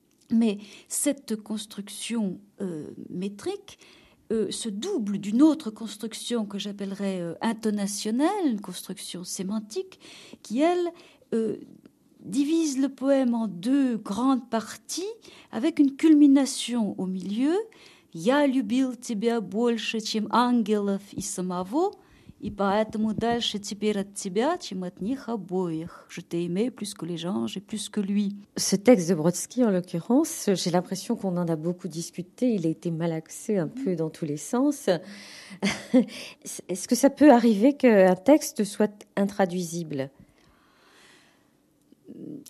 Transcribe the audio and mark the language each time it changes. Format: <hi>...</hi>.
<fr>Mais cette construction métrique se double d'une autre construction que j'appellerais intonationnelle, une construction sémantique, qui, elle, divise le poème en 2 grandes parties avec une culmination au milieu.</fr> <ru>Я любил тебя больше, чем ангелов и самого, и поэтому дальше теперь от тебя, чем от них обоих.</ru> <fr>Je t'ai aimé plus que les anges et plus que lui. Ce texte de Brodsky, en l'occurrence, j'ai l'impression qu'on en a beaucoup discuté. Il a été malaxé un peu dans tous les sens. Est-ce que ça peut arriver qu'un texte soit intraduisible ?</fr>